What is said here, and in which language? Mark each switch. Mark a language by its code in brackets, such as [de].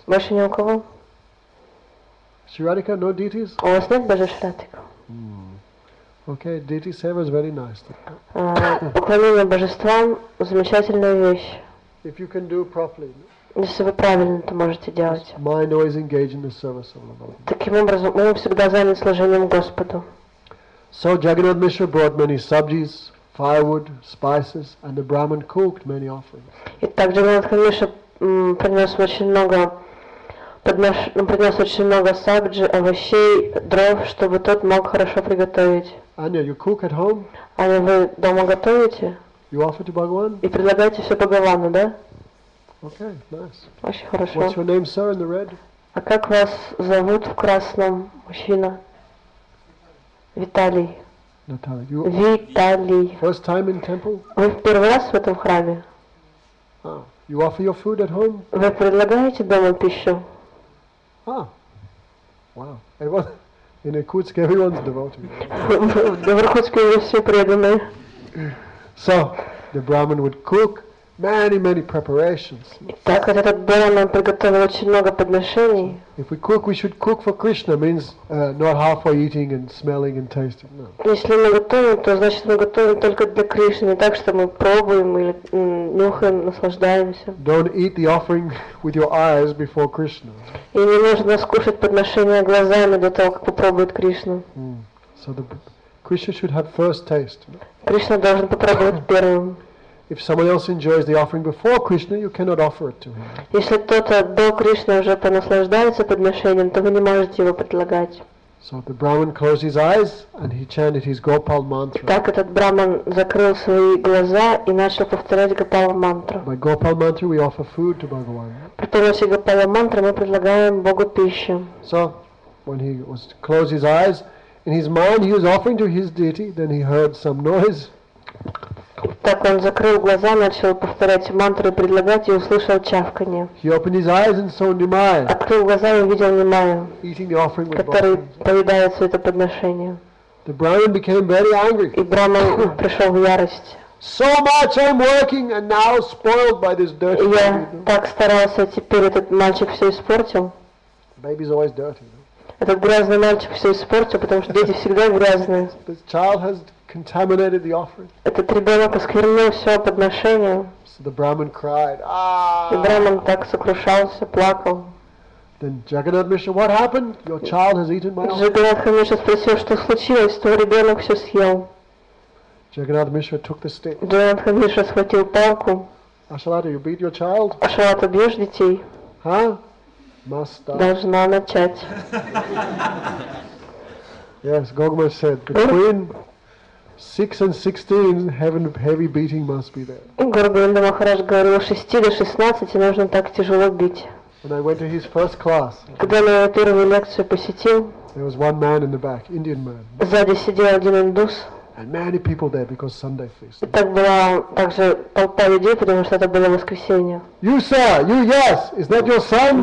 [ru] Больше ни у кого? [en] Shradika, no deities? [ru] У вас нет божеств, Радика? [en] Okay, deity service is very nice. [ru] Поклонение божествам замечательная вещь. [en] If you can do properly. [ru] Если вы правильно это можете делать. [en] Mind always engaged in the service of the Lord. [ru] Таким образом, мы всегда заняты служением Господу. [en] So Jagannath Mishra brought many subjis, firewood, spices, and the Brahmin cooked many offerings. [ru] Итак, Джагнатх Мишра принес очень много. Принес очень много сабджи, овощей, дров, чтобы тот мог хорошо приготовить. [en] Аня, you cook at home? [ru] Аня, вы дома готовите? [en] You offer to Bhagavan? [ru] И предлагаете все Бхагавану, да? [en] Okay, nice. [ru] Очень хорошо. [en] What's your name, sir, in the red? [ru] А как вас зовут в красном, мужчина? Виталий. Наталья. Виталий. [en] First time in temple? [ru] Вы в первый раз в этом храме? [en] Oh. You offer your food at home? [ru] Вы предлагаете дома пищу? [en] Ah, wow! Everyone in Irkutsk, everyone's devoted. [ru] В Иркутске все преданные. [en] So the Brahmin would cook many, many preparations. [ru] Так вот этот Брахман приготовил очень много подношений. [en] If we cook, we should cook for Krishna. Means not halfway eating and smelling and tasting. No. [ru] Если мы готовим, то значит мы готовим только для Кришны, так что мы пробуем или нюхаем, наслаждаемся. [en] Don't eat the offering with your eyes before Krishna. [ru] И не нужно скушать подношение глазами до того, как попробует Кришна. [en] So the Krishna should have first taste. [ru] Кришна должен попробовать первым. [en] If someone else enjoys the offering before Krishna, you cannot offer it to him. [ru] Если кто-то до Кришны уже понаслаждается подношением, то вы не можете его предлагать. [en] So the Brahmin closed his eyes and he chanted his Gopal mantra. [ru] Так этот Брахман закрыл свои глаза и начал повторять Гопала мантру. [en] By Gopal mantra we offer food to Bhagavan. [ru] При помощи Гопала мантры мы предлагаем Богу пищу. [en] So when he was closed his eyes, in his mind he was offering to his deity, then he heard some noise. [ru] Так он закрыл глаза, начал повторять мантру, предлагать и услышал чавканье. [en] He opened his eyes and saw Nimaya. [ru] Открыл глаза и увидел Нимаю, [en] eating the offering with [ru] который поедает все это подношение. [en] The Brahmin became very angry. [ru] И Брахман пришел в ярость. [en] So much I'm working and now spoiled by this dirty. [ru] Я так старался, теперь этот мальчик все испортил. [en] Baby's always dirty. [ru] Этот грязный мальчик все испортил, потому что дети всегда грязные. [en] This child has contaminated the offering. [ru] Этот ребенок осквернил все подношение. [en] So the Brahmin cried. [ru] И Брахман так сокрушался, плакал. [en] Then Jagannath Mishra, what happened? Your child has eaten my offering. [ru] Jagannath Mishra спросил, что случилось, твой ребенок все съел. [en] Jagannath Mishra took the stick. [ru] Jagannath Mishra схватил палку. [en] Ашалата, you beat your child? [ru] Ашалата, бьешь детей? [en] Huh? Must start. [ru] Должна начать. [en] Yes, Gogma said, between 6 and 16, heavy beating must be there. [ru] Гургинда Махарадж говорил, 6 до 16 нужно так тяжело бить. [en] When I went to his first class. [ru] Когда на его первую лекцию посетил. [en] There was one man in the back, Indian man. [ru] Сзади сидел один индус. [en] And many people there because Sunday feast. [ru] И так была также толпа людей, потому что это было воскресенье. [en] You sir, you yes, is that your son?